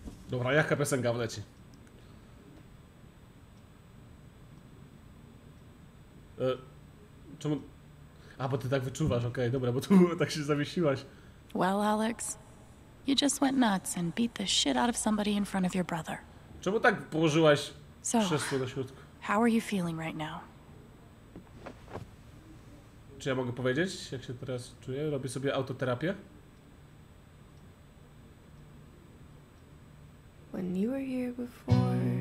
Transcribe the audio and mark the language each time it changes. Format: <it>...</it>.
<pl>Dobra, jaka piosenka wleci? Czemu... A, bo ty tak wyczuwasz, okej, okay, dobra, bo tu tak się zawiesiłaś.</pl> <en>Well, Alex, you just went nuts and beat the shit out of somebody in front of your brother.</en> <pl>Czemu tak położyłaś krzesło do środka?</pl> <en>How are you feeling right now?</en> <pl>Czy ja mogę powiedzieć, jak się teraz czuję? Robię sobie autoterapię?</pl> <en>When you were here before.</en>